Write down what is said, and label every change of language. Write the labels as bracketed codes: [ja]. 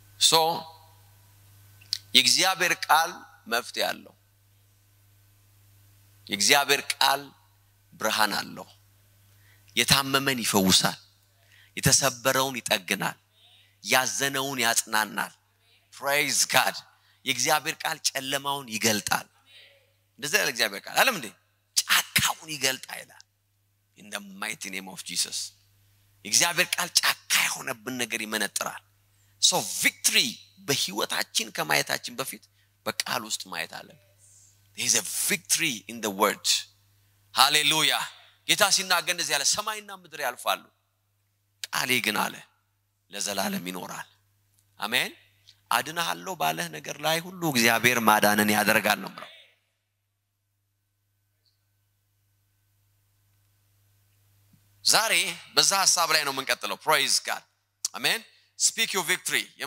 [am] ሶ የእግዚአብሔር ቃል መፍትሄ አለው። የእግዚአብሔር ቃል ብርሃን አለው። የታመመን ይፈውሳል። የተሰበረውን ይጠግናል። ያዘነውን ያጽናናል። [en] ፕሬይዝ ጋድ። [am] የእግዚአብሔር ቃል ጨለማውን ይገልጣል። እንደዛ ያለ እግዚአብሔር ቃል አለም እንዴ? ጫካውን ይገልጣል ይላል። [en] In the mighty name of Jesus. [am] የእግዚአብሔር ቃል ጫካ የሆነብን ነገር ይመነጥራል። [en] So victory [am] በህይወታችን ከማየታችን በፊት በቃል ውስጥ ማየት አለን። [en] There is a victory in the word. Hallelujah. [am] ጌታ ሲናገር እንደዚህ አለ ሰማይና ምድር ያልፋሉ ቃሌ ግን አለ ለዘላለም ይኖራል። አሜን። አድናሃለሁ ባለህ ነገር ላይ ሁሉ እግዚአብሔር ማዳንን ያደርጋል ነው ብለው። ዛሬ በዛ ሐሳብ ላይ ነው የምንቀጥለው። [en] Praise God. Amen. Speak your victory.